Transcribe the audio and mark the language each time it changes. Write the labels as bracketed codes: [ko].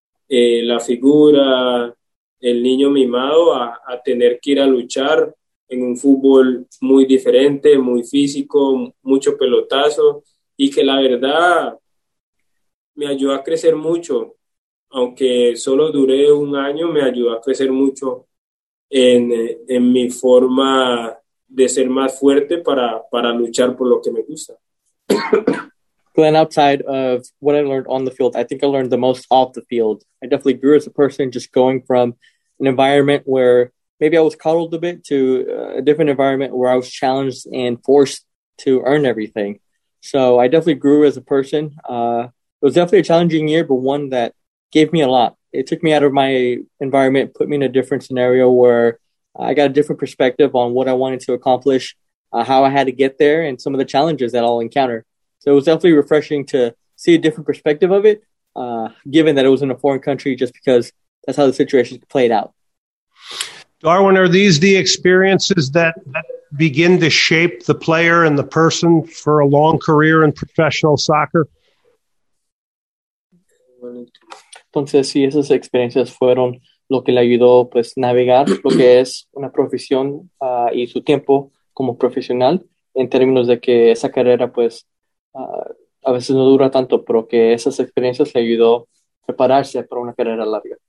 [es] la figura, el niño mimado, a tener que ir a luchar en un fútbol muy diferente, muy físico, mucho pelotazo, y que la verdad me ayudó a crecer mucho. Aunque solo duré un año, me ayudó a crecer mucho en mi forma de ser más fuerte para luchar por lo que me gusta. [en] Glenn, outside of what I learned on the field, I think I learned the most off the field. I definitely grew as a person just going from an environment where maybe I was coddled a bit to a different environment where I was challenged and forced to earn everything. So I definitely grew as a person. It was definitely a challenging year, but one that gave me a lot. It took me out of my environment, put me in a different scenario where I got a different perspective on what I wanted to accomplish, how I had to get there, and some of the challenges that I'll encounter. So it was definitely refreshing to see a different perspective of it, given that it was in a foreign country, just because that's how the situation played out. Darwin, are these the experiences that begin to shape the player and the person for a long career in professional soccer? [es] Entonces, sí, esas experiencias fueron lo que le ayudó, pues, navegar lo que es una profesión y su tiempo como profesional, en términos de que esa carrera, pues, a veces no dura tanto, pero que esas experiencias le ayudó a prepararse para una carrera larga.